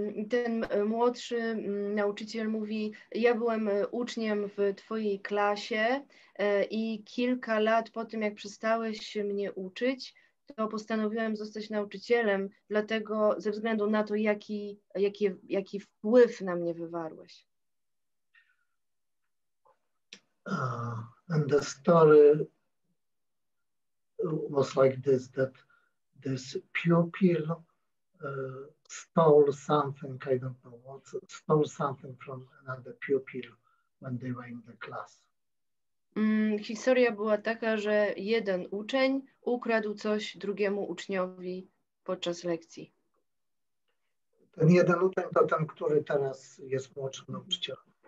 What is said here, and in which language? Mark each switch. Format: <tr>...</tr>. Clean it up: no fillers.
<pl>Ten młodszy nauczyciel mówi, ja byłem uczniem w twojej klasie i kilka lat po tym, jak przestałeś mnie uczyć, to postanowiłem zostać nauczycielem, dlatego ze względu na to, jaki wpływ na mnie wywarłeś.</pl> <en>And the story was like this, that this pupil stole something from another pupil when they were in the class.</en> <pl>Historia była taka, że jeden uczeń ukradł coś drugiemu uczniowi podczas lekcji. Ten jeden uczeń to ten, który teraz jest młodszym nauczycielem.</pl>